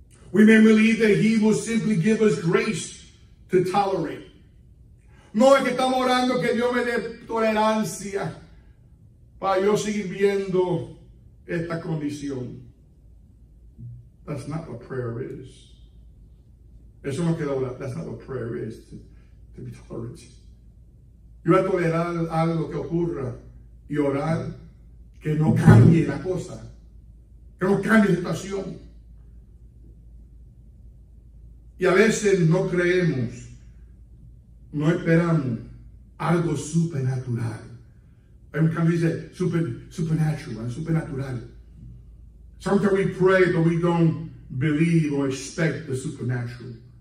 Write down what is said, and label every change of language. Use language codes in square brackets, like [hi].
[en] We may believe that he will simply give us grace to tolerate. [es] No es que estamos orando que Dios me dé tolerancia para yo seguir viendo esta condición. [en] That's not what prayer is. [es] Eso no queda orar. [en] That's not what prayer is, to be tolerant. [es] Yo voy a tolerar algo que ocurra y orar que no cambie la cosa, que no cambie la situación. Y a veces no creemos, no esperamos algo supernatural. [en] Every time we say supernatural, and supernatural. Sometimes we pray, but we don't believe or expect the supernatural.